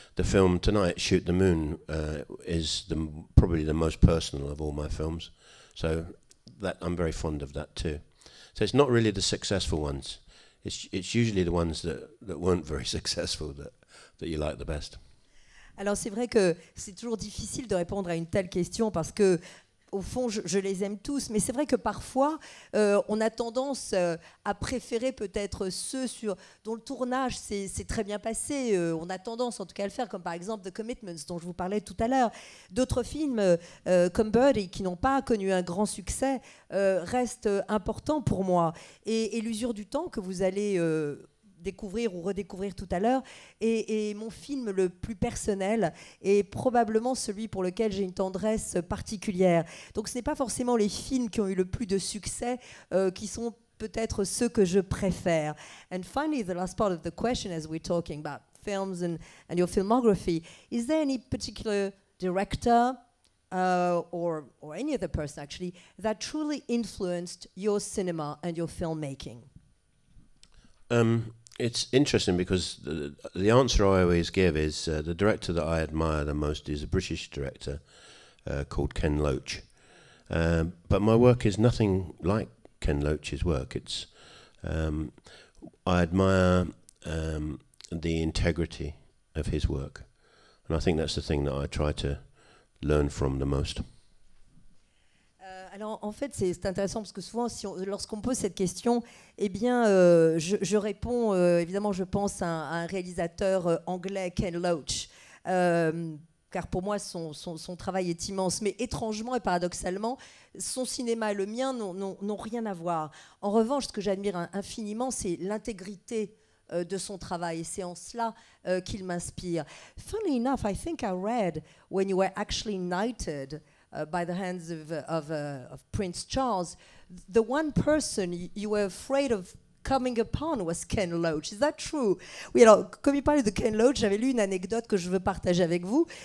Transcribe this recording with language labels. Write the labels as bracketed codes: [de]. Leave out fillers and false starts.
[en] The film tonight, Shoot the Moon, is probably the most personal of all my films, so that I'm very fond of that too. So it's not really the successful ones. It's usually the ones that weren't very successful that you like the best. [fr] Alors c'est vrai que c'est toujours difficile de répondre à une telle question parce que, au fond, je les aime tous, mais c'est vrai que parfois on a tendance à préférer peut-être ceux dont le tournage s'est très bien passé. On a tendance en tout cas à le faire, comme par exemple The Commitments dont je vous parlais tout à l'heure. D'autres films comme Birdie qui n'ont pas connu un grand succès restent importants pour moi. Et L'Usure du Temps que vous allez découvrir ou redécouvrir tout à l'heure et mon film le plus personnel est probablement celui pour lequel j'ai une tendresse particulière. Donc ce n'est pas forcément les films qui ont eu le plus de succès qui sont peut-être ceux que je préfère. [en] And finally, the last part of the question, as we're talking about films and your filmography, is there any particular director or any other person actually that truly influenced your cinema and your filmmaking? It's interesting because the answer I always give is the director that I admire the most is a British director called Ken Loach. But my work is nothing like Ken Loach's work. It's I admire the integrity of his work. And I think that's the thing that I try to learn from the most. [fr] Alors, en fait, c'est intéressant parce que souvent, lorsqu'on pose cette question, eh bien, je réponds, évidemment, je pense à un réalisateur anglais, Ken Loach, car pour moi, son travail est immense. Mais étrangement et paradoxalement, son cinéma et le mien n'ont rien à voir. En revanche, ce que j'admire infiniment, c'est l'intégrité de son travail. C'est en cela qu'il m'inspire. [en] Funnily enough, I think I read when you were actually knighted by the hands of Prince Charles, the one person you were afraid of coming upon was Ken Loach. Is that true? [fr] Oui, alors, comme il parle de Ken Loach, j'avais lu une anecdote que je veux partager avec vous.